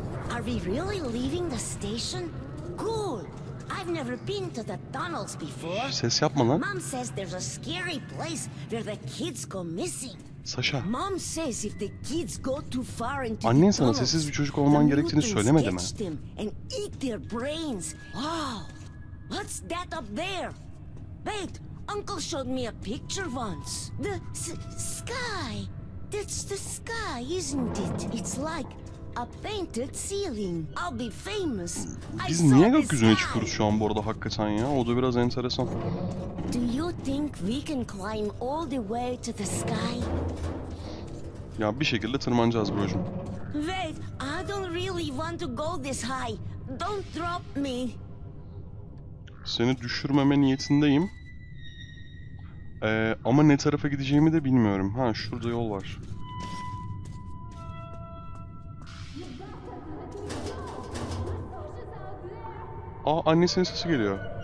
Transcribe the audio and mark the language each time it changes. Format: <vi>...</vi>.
<en>Are we really leaving the station? Cool. I've never been to the tunnels before.</en> <tr>Ses yapma lan.</tr> <en>Mom says there's a scary place where the kids go missing. Saşa. Mom says if the kids go too far into the</en> <tr>annen sana sessiz bir çocuk olman gerektiğini söylemedi mi?</tr> <en>Them and eat their brains. Wow. What's that up there? Wait, Uncle showed me a picture once. The sky. That's the sky, isn't it? It's like a painted ceiling. I'll be famous.</en> <tr>Biz niye gökyüzüne çıkıyoruz şu an bu arada hakikaten ya? O da biraz enteresan.</tr> <en>Do you think we can climb all the way to the sky?</en> <tr>Ya bir şekilde tırmanacağız brocum.</tr> <en>Wait, I don't really want to go this high. Don't drop me.</en> <tr>Seni düşürmeme niyetindeyim. Ama ne tarafa gideceğimi de bilmiyorum. Ha, şurada yol var. Aa, annesinin sesi geliyor.</tr>